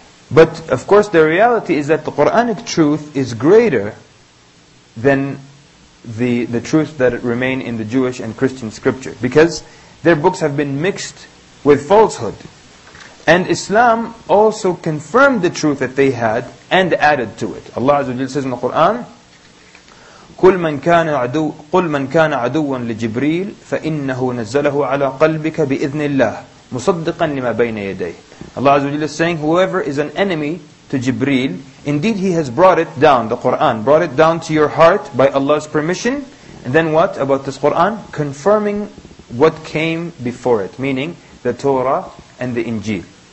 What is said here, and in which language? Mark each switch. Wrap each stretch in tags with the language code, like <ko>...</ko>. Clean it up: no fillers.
<en>But of course the reality is that the Quranic truth is greater than the truth that remain in the Jewish and Christian scripture, because their books have been mixed with falsehood. And Islam also confirmed the truth that they had and added to it. Allah Azza wa Jalla says in the Quran,</en> <ar>قُلْ مَنْ كَانَ عَدُوًا لِجِبْرِيلِ فَإِنَّهُ نَزَّلَهُ عَلَىٰ قَلْبِكَ بِإِذْنِ اللَّهِ مُصَدِّقًا لِمَا بَيْنَ يَدَيْهِ.</ar> <en>Allah Azza wa Jalla is saying, whoever is an enemy to Jibreel, indeed he has brought it down, the Quran, brought it down to your heart by Allah's permission. And then what about this Quran? Confirming what came before it, meaning the Torah and the Injil.</en>